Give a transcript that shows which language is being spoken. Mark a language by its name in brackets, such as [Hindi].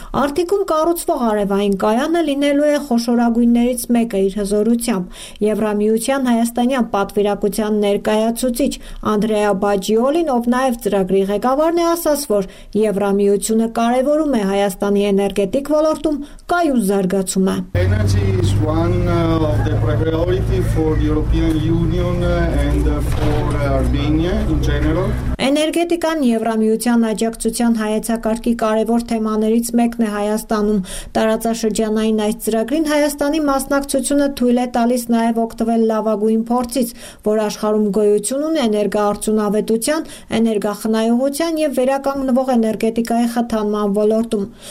[Armenian] Արթիկում կառուցվող արևային կայանը լինելու է խոշորագույններից մեկը իր հզորությամբ։ Եվրամիության հայաստանյան պատվիրակության ներկայացուցիչ Անդրեա Բաջիոլին, ով նաև ծրագրի ղեկավարն է, ասաց, որ Եվրամիությունը կարևորում է Հայաստանի էներգետիկ ոլորտում կայուն զարգացումը։ [English] Energy is one of the priority for European Union and for Armenia in general. [Armenian] Էներգետիկան Եվրամիության աջակցության հայեցակարգի կարևոր թեմաներից մեկն է Հայաստանում։ Տարածաշրջանային այս ծրագրին Հայաստանի մասնակցությունը թույլ է տալիս նաև օգտվել լավագույն փորձից, որ աշխարհում գոյություն ունի էներգաարդյունավետության, էներգախնայողության և վերականգնվող էներգետիկայի խթանման ոլորտում։